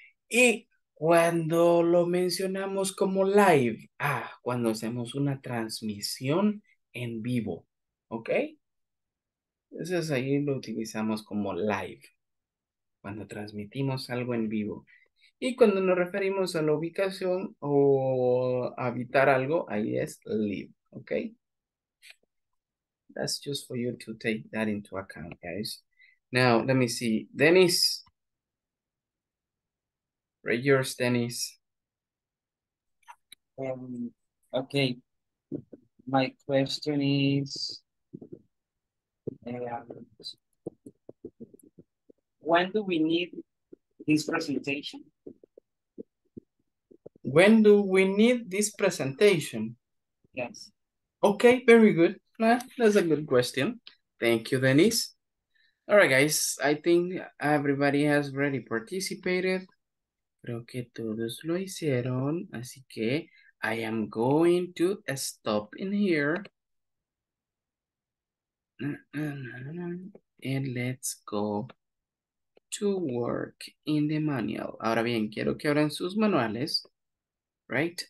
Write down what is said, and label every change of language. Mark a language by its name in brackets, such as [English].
[Spanish] Y cuando lo mencionamos como live, cuando hacemos una transmisión en vivo, ¿ok? Entonces ahí lo utilizamos como live, cuando transmitimos algo en vivo. Y cuando nos referimos a la ubicación o habitar algo, ahí es live, ¿ok? [English] That's just for you to take that into account, guys. Now, let me see. Dennis. Read yours, Dennis. Okay. My question is, when do we need this presentation? When do we need this presentation? Yes. Okay, very good. That's a good question. Thank you, Dennis. All right, guys. I think everybody has already participated. [Spanish] Creo que todos lo hicieron, así que [English] I am going to stop in here. And let's go to work in the manual. [Spanish] Ahora bien, quiero que abran sus manuales, right?